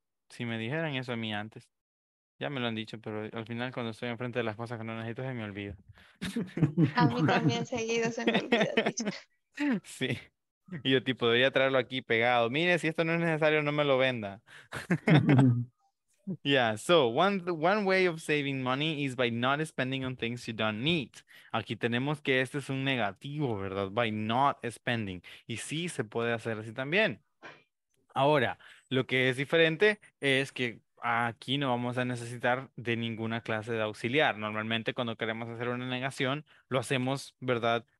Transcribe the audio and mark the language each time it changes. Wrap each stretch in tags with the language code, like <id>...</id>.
<es>Si me dijeran eso a mí antes, ya me lo han dicho, pero al final cuando estoy enfrente de las cosas que no necesito se me olvida. A mí también seguido se me olvida. Sí. Y yo tipo, debería traerlo aquí pegado. Mire, si esto no es necesario, no me lo venda.</es> <en>Yeah, so one way of saving money is by not spending on things you don't need.</en> <es>Aquí tenemos que este es un negativo, ¿verdad?</es> <en>By not spending.</en> <es>Y sí, se puede hacer así también. Ahora, lo que es diferente es que aquí no vamos a necesitar de ninguna clase de auxiliar. Normalmente cuando queremos hacer una negación, lo hacemos, ¿verdad?</es>